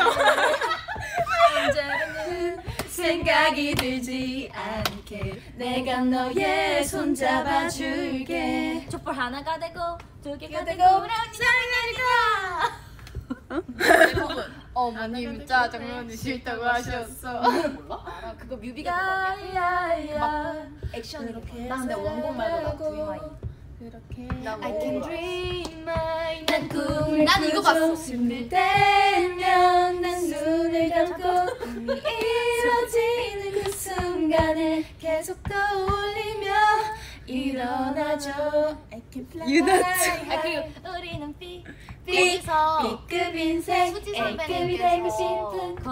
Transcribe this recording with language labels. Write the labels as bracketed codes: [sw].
[ko] 언제나 생각이 들지 않게 내가 너의 손 잡아줄게. 촛불 하나가 되고 두 개가 되고 우리 사랑하니까. 어머님 진짜 장면이 싫다고 하셨어. 몰라? 아, 그거 뮤비가 봤거든요. 액션 이렇게. 나 근데 원곡 말고 나 DIY. 이렇게 [en] I can dream my [ko] 난 꿈을 난 이거 봤어. 숨을 때면 난 눈을 감고 꿈이 이뤄지는 그 순간에 계속 떠올리며 일어나죠. [en] I can fly. 유나 [ko] 아 그리고 우리는 B 거기서 B급 인생 A급이 되고 싶은